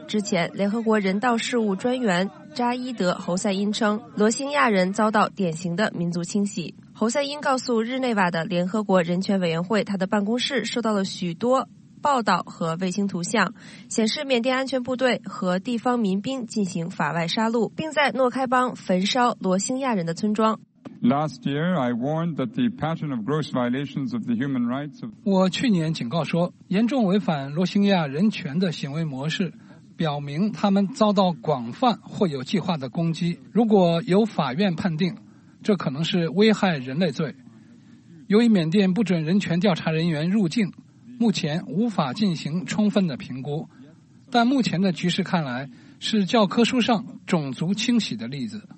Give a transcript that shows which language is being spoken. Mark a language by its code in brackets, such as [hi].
[zh] 之前联合国人道事务专员扎伊德·侯赛因称，罗兴亚人遭到典型的民族清洗。侯赛因告诉日内瓦的联合国人权委员会，他的办公室受到了许多报道和卫星图像，显示缅甸安全部队和地方民兵进行法外杀戮，并在诺开邦焚烧罗兴亚人的村庄。 [en] Last year, I warned that the pattern of gross violations of the human rights of [zh] 我去年警告说，严重违反罗兴亚人权的行为模式，表明他们遭到广泛或有计划的攻击。如果由法院判定，这可能是危害人类罪。由于缅甸不准人权调查人员入境，目前无法进行充分的评估，但目前的局势看来是教科书上种族清洗的例子。